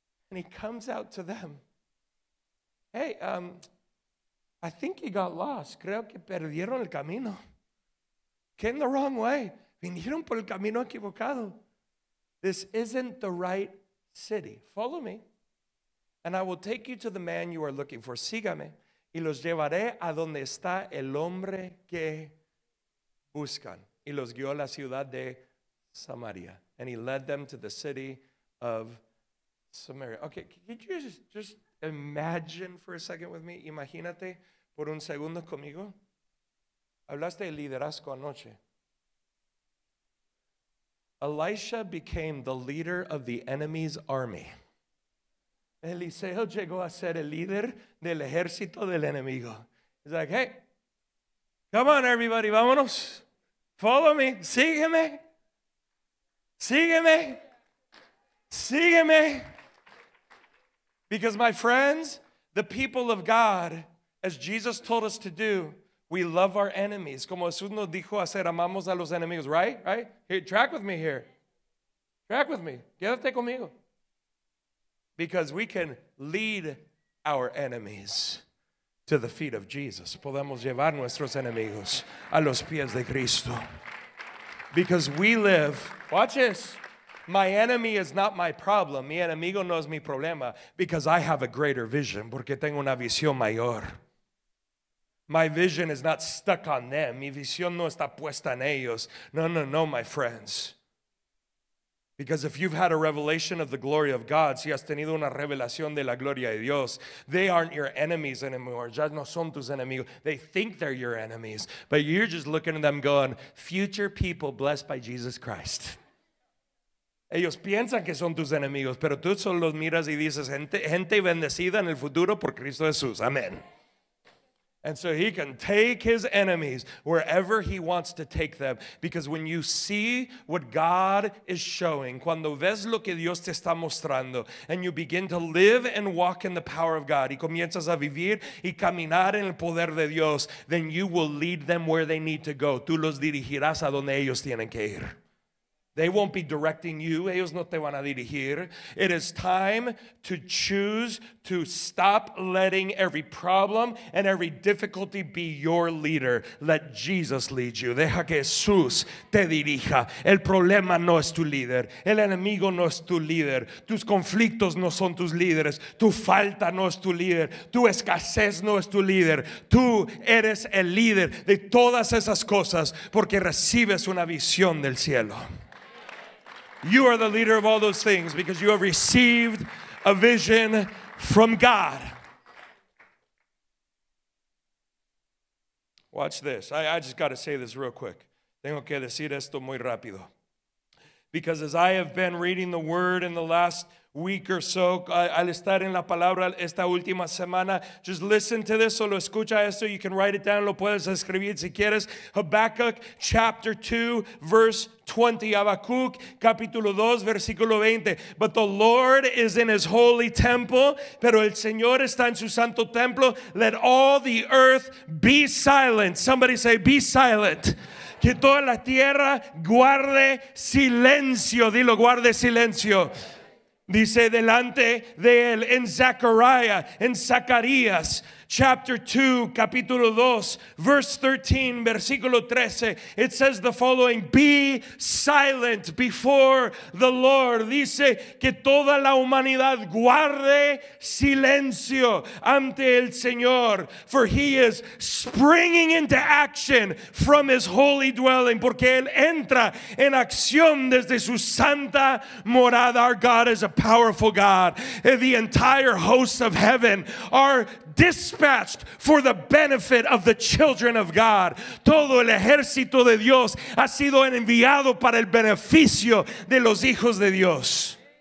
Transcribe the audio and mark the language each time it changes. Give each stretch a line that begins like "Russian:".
English: And he comes out to them. Hey, I think he got lost.
Spanish: Creo que perdieron el camino.
English: Came the wrong way.
Spanish: Vinieron por el camino equivocado.
English: This isn't the right city. Follow me, and I will take you to the man you are looking for.
Spanish: Sígame, y los llevaré a donde está el hombre que buscan. Y los guió a la ciudad de Samaria.
English: And he led them to the city of Samaria. Okay, could you just imagine for a second with me?
Spanish: Imagínate por un segundo conmigo. Hablaste de liderazgo anoche.
English: Elisha became the leader of the enemy's army.
Spanish: Eliseo llegó a ser el líder del ejército del enemigo.
English: He's like, hey, come on everybody,
Spanish: vámonos.
English: Follow me,
Spanish: sígueme. Sígueme. Sígueme.
English: Because my friends, the people of God, as Jesus told us to do, we love our enemies.
Spanish: Como Jesús nos dijo hacer, amamos a los enemigos, right?
English: Right? Hey, track with me here. Track with me.
Spanish: Quédate conmigo.
English: Because we can lead our enemies to the feet of Jesus.
Spanish: Podemos llevar nuestros enemigos a los pies de Cristo.
English: Because we live, watch this. My enemy is not my problem.
Spanish: Mi enemigo no es mi problema.
English: Because I have a greater vision.
Spanish: Porque tengo una visión mayor.
English: My vision is not stuck on them.
Spanish: Mi visión no está puesta en ellos.
English: No, my friends. Because if you've had a revelation of the glory of God,
Spanish: si has tenido una revelación de la gloria de Dios,
English: they aren't your enemies anymore.
Spanish: Ya no son tus enemigos.
English: They think they're your enemies. But you're just looking at them going, future people blessed by Jesus Christ.
Spanish: Ellos piensan que son tus enemigos, pero tú solo los miras y dices, gente bendecida en el futuro por Cristo Jesús.
English: Amén. And so he can take his enemies wherever he wants to take them. Because when you see what God is showing,
Spanish: cuando ves lo que Dios te está mostrando,
English: and you begin to live and walk in the power of God,
Spanish: y comienzas a vivir y caminar en el poder de Dios,
English: then you will lead them where they need to go.
Spanish: Tú los dirigirás a donde ellos tienen que ir.
English: They won't be directing you.
Spanish: Ellos no te van a dirigir.
English: It is time to choose to stop letting every problem and every difficulty be your leader. Let Jesus lead you.
Spanish: Deja que Jesús te dirija. El problema no es tu líder. El enemigo no es tu líder. Tus conflictos no son tus líderes. Tu falta no es tu líder. Tu escasez no es tu líder. Tú eres el líder de todas esas cosas porque recibes una visión del cielo.
English: You are the leader of all those things because you have received a vision from God. Watch this. I just got to say this real quick.
Spanish: Tengo que decir esto muy rápido.
English: Because as I have been reading the word in the last week or so,
Spanish: al estar en la palabra esta última semana,
English: just listen to this,
Spanish: solo escucha esto,
English: you can write it down,
Spanish: lo puedes escribir si quieres.
English: Habakkuk chapter 2, verse 20.
Spanish: Habakkuk capítulo 2, versículo 20.
English: But the Lord is in his holy temple,
Spanish: pero el Señor está en su santo templo.
English: Let all the earth be silent. Somebody say, be silent.
Spanish: Que toda la tierra guarde silencio. Dilo, guarde silencio. Dice delante de él en Zechariah, en Zacarías,
English: chapter 2,
Spanish: capítulo 2,
English: verse 13,
Spanish: versículo 13.
English: It says the following, be silent before the Lord.
Spanish: Dice que toda la humanidad guarde silencio ante el Señor.
English: For he is springing into action from his holy dwelling.
Spanish: Porque él entra en acción desde su santa morada.
English: Our God is a powerful God. The entire hosts of heaven are dispatched for the benefit of the children of God.
Spanish: Todo el ejército de Dios ha sido enviado para el beneficio de los hijos de Dios.